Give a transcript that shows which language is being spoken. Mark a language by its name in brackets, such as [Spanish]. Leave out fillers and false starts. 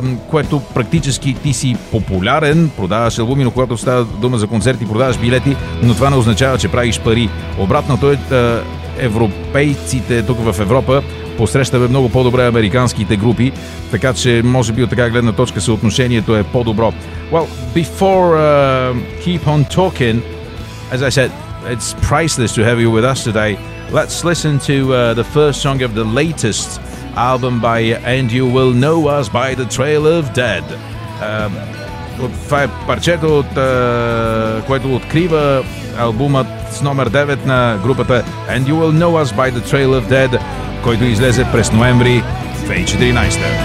[Bulgarian] Което практически ти си популярен, продаваш албуми, но когато става дума за концерти, продаваш билети, но това не означава, че правиш пари. Обратното е, европейците тук в Европа посрещаме много по-добре американските групи, така че може би от така гледна точка съотношението е по-добро. [English] Well, before keep on talking, as I said, it's priceless to have you with us today. Let's listen to the first song of the latest album by And You Will Know Us by the Trail of Dead. [Bulgarian] Това е парчето, което открива албумът с номер 9 на групата And You Will Know Us by the Trail of Dead, който излезе през ноември 2014.